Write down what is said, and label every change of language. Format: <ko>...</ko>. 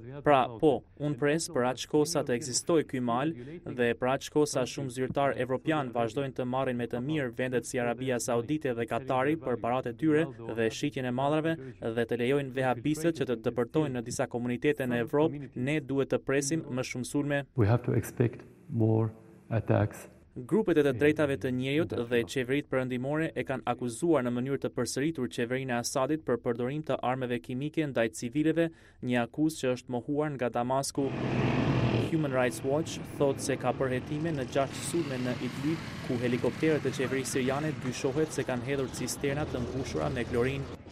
<sq>Pra, po, unë pres për aq kohë sa të ekzistojë ky mal dhe për aq kohë sa shumë zyrtar evropian vazhdojnë të marrin me të mirë vendet si Arabia Saudite dhe Katari për paratë tyre dhe shitjen e mallrave dhe të lejojnë vehabistët që të depërtojnë në disa komunitete në Evropë, ne duhet të presim më shumë sulme.</sq> <en>We have to expect more attacks.</en> <sq>Grupet e të drejtave të njerëzit dhe qeveritë perëndimore e kanë akuzuar në mënyrë të përsëritur qeverinë e Assadit për përdorim të armëve kimike ndaj civileve, një akuzë që është mohuar nga Damasku. Human Rights Watch thotë se ka përhetime në 6 sulme në Idlib, ku helikopterët e qeverisë siriane dyshohet se kanë hedhur cisterna të mbushura me klorinë.</sq>